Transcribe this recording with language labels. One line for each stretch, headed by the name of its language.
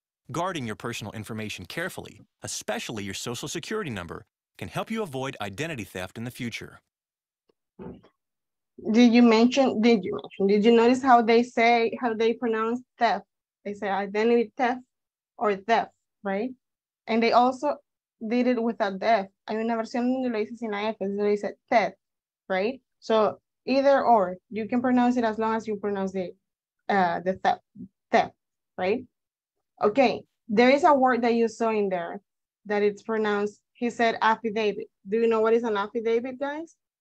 English: Guarding your personal information carefully, especially your social security number, can help you avoid identity theft in the future. Did you notice how they say, how they pronounce theft? They say identity theft or theft, right? And they also did it with a theft.
Spanish: Hay una versión donde lo dice sin la F, donde dice theft, right?
English: So either or, you can pronounce it as long as you pronounce it, the theft, right? Okay, there is a word that you saw in there that it's pronounced, he said affidavit. Do you know what is an affidavit, guys?